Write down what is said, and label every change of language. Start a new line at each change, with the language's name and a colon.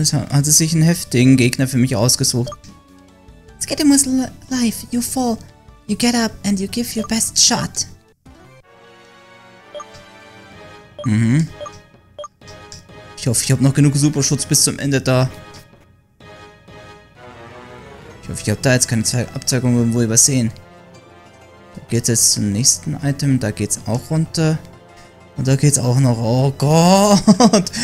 German: Hat es sich einen heftigen Gegner für mich ausgesucht.
English: Skating was life. You fall, you get up and you give your best shot. Mhm.
German: Ich hoffe, ich habe noch genug Superschutz bis zum Ende da. Ich hoffe, ich habe da jetzt keine Abzeugung irgendwo übersehen. Da geht es jetzt zum nächsten Item. Da geht es auch runter. Und da geht's auch noch. Oh Gott!